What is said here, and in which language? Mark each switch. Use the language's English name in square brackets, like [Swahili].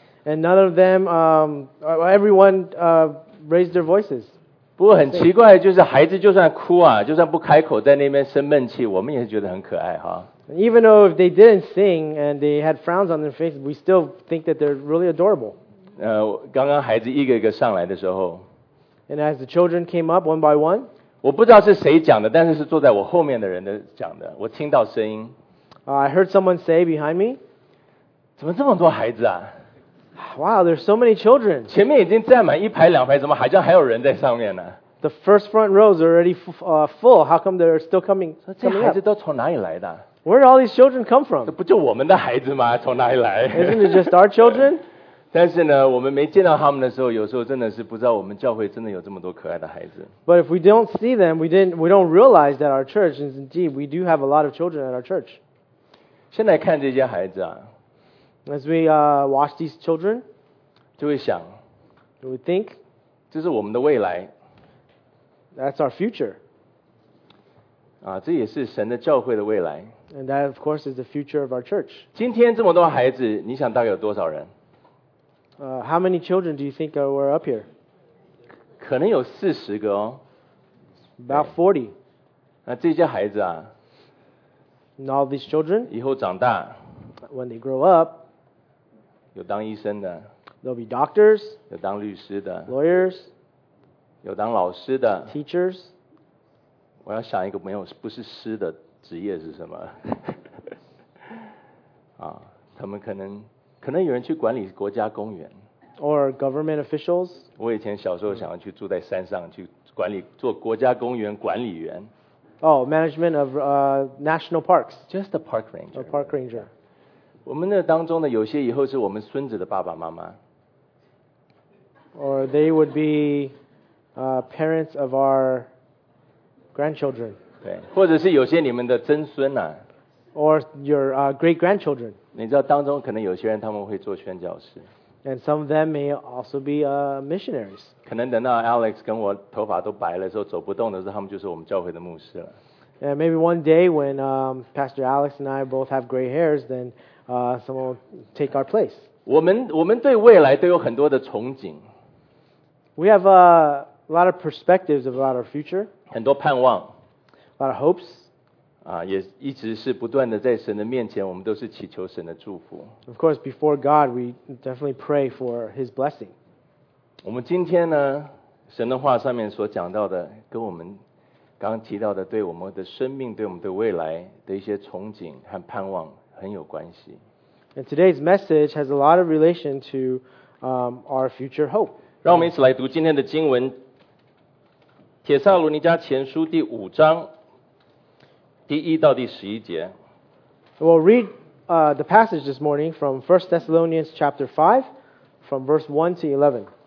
[English] And none of them, everyone raised their voices. [Chinese] 不过很奇怪，就是孩子就算哭啊，就算不开口在那边生闷气，我们也是觉得很可爱哈。 [English] Even though if they didn't sing and they had frowns on their face, we still think that they're really adorable. [Chinese] 刚刚孩子一个一个上来的时候 [English] ，And as the children came up one by one, [Chinese] 我不知道是谁讲的，但是是坐在我后面的人的讲的，我听到声音。 [English] I heard someone say behind me, [Chinese] 怎么这么多孩子啊 [English] ？Wow, there's so many children. [Chinese] 前面已经站满一排两排，怎么好像还有人在上面呢 [English] ？The first front rows are already full. How come they're still coming? [Chinese] 这孩子都从哪里来的？ [English] Where did all these children come from? [Chinese] 这不就我们的孩子吗？从哪里来 [English] ？Isn't it just our children? [Chinese] 但是呢，我们没见到他们的时候，有时候真的是不知道我们教会真的有这么多可爱的孩子。 [English] But if we don't see them, we don't realize that our church is indeed we do have a lot of children at our church. [Chinese] 现在看这些孩子啊 [English] ，as we watch these children, [Chinese] 就会想 [English] ，we think [Chinese] 这是我们的未来 [English] ，that's our future. [Chinese] 啊，这也是神的教会的未来。 [English] And that, of course, is the future of our church. [Chinese] 今天这么多孩子，你想大概有多少人 [English] ？How many children do you think were up here? [Chinese] 可能有四十个哦。 [English] About 40. [Chinese] 那这些孩子啊 [English] ？And all these children? [Chinese] 以后长大 [English] ？When they grow up? [Chinese] 有当医生的。 [English] They'll be doctors. [Chinese] 有当律师的。 [English] Lawyers. [Chinese] 有当老师的。 [English] Teachers. [Chinese] 我要想一个没有不是师的。职业是什么？他们可能有人去管理国家公园 [English] ，or government officials。 [Chinese] 我以前小时候想要去住在山上，去管理做国家公园管理员。 [English] Oh, management of national parks. Just a park ranger. A park ranger. [Chinese] 我们的当中呢，有些以后是我们孙子的爸爸妈妈。 [English] Or they would be parents of our grandchildren. [Chinese] 对，或者是有些你们的曾孙啊 [English] ，or your great grandchildren。 [Chinese] 你知道当中可能有些人他们会做宣教士 [English] ，and some of them may also be missionaries。 [Chinese] 可能等到 Alex 跟我头发都白了之后走不动的时候，他们就是我们教会的牧师了。 [English] And maybe one day when Pastor Alex and I both have gray hairs, then someone will take our place。 [Chinese] 我们对未来都有很多的憧憬 [English] ，we have a lot of perspectives about our future。 [Chinese] 很多盼望。 [English] A lot of hopes. [Chinese] 也一直是不断的在神的面前，我们都是祈求神的祝福。 [English] Of course, before God, we definitely pray for His blessing. [Chinese] 我们今天呢，神的话上面所讲到的，跟我们刚刚提到的，对我们的生命、对我们的未来的一些憧憬和盼望很有关系。 [English] And today's message has a lot of relation to our future hope. [Chinese] 让我们一起来读今天的经文。帖撒罗尼迦前书第五章第一到第十一节。 [English] We'll read the passage this morning from 1 Thessalonians chapter 5, from verse 1 to 11.